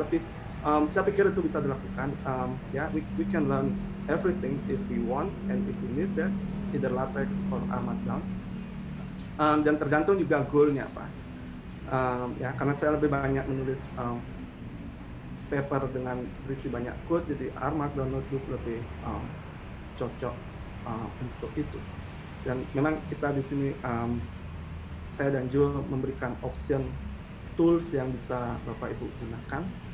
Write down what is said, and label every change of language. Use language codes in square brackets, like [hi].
[id] Tapi saya pikir itu bisa dilakukan. [en] We can learn everything if we want and if we need that, either LaTeX or R Markdown. [id] Dan tergantung juga goal-nya apa. Ya, karena saya lebih banyak menulis paper dengan berisi banyak code, jadi R Markdown notebook lebih cocok untuk itu. Dan memang kita di sini, saya dan Jo memberikan option tools yang bisa Bapak Ibu gunakan.